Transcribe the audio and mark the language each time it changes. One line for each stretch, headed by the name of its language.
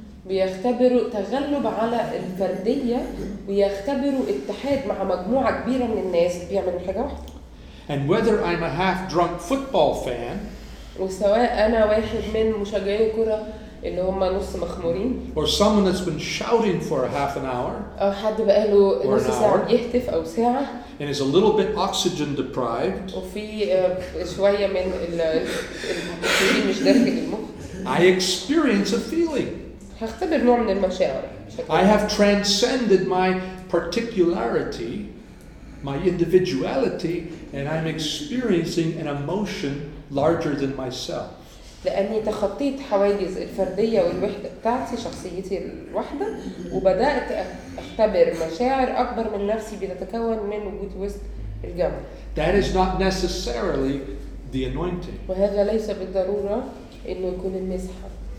Arabic: بيختبروا تغلب على الفردية ويختبروا اتحاد مع مجموعة كبيرة من الناس بيعملوا حاجة واحدة.
English: And whether I'm a half-drunk football fan,
Arabic: وسواء أنا واحد من مشجعي كرة اللي هم نص مخمورين,
English: or someone that's been shouting for a half an hour,
Arabic: أو حد بقاله نص ساعة يهتف أو ساعة,
English: and is a little bit oxygen deprived,
Arabic: وفي شوية من الأكسجين مش داخل المخ,
English: I experience a feeling.
Arabic: هختبر نوع من المشاعر.
English: I have transcended my particularity, my individuality, and I'm experiencing an emotion larger than myself.
Arabic: لأني تخطيت حواجز الفردية والوحدة بتاعتي شخصيتي الوحدة وبدأت أختبر مشاعر أكبر من نفسي بتتكون من وجود وسط الجمع.
English: That is not necessarily the anointing.
Arabic: وهذا ليس بالضرورة إنه يكون المسحة.